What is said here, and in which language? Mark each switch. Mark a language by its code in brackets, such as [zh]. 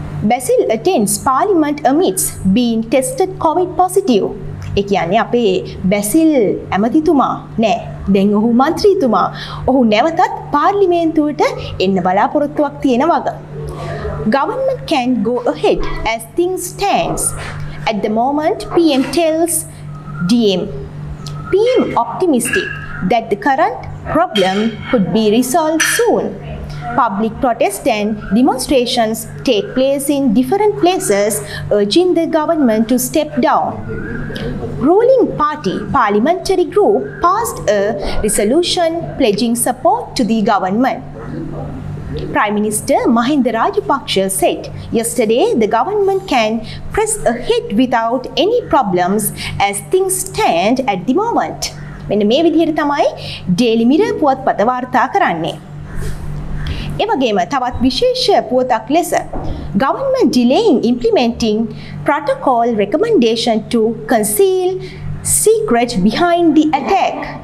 [en] Basil attends parliament amidst being tested covid positive. [si] ඒ කියන්නේ අපේ බැසිල් ඇමතිතුමා නෑ, දැන් ඔහු මන්ත්‍රීතුමා. ඔහු නැවතත් පාර්ලිමේන්තුවට එන්න බලාපොරොත්තුවක් තියෙන වග. [en] Government can go ahead as things stands. At the moment, PM tells DM. PM optimistic that the current problem could be resolved soon. Public protests and demonstrations take place in different places, urging the government to step down. Ruling party parliamentary group passed a resolution pledging support to the government. Prime Minister Mahinda Rajapaksa said yesterday the government can press ahead without any problems as things stand at the moment. [si] මෙන්න මේ විදිහට තමයි Daily Mirror පුවත්පත වාර්තා කරන්නේ. ඒ වගේම තවත් විශේෂ පුවතක් ලෙස [en] government delaying implementing protocol recommendation to conceal secret behind the attack.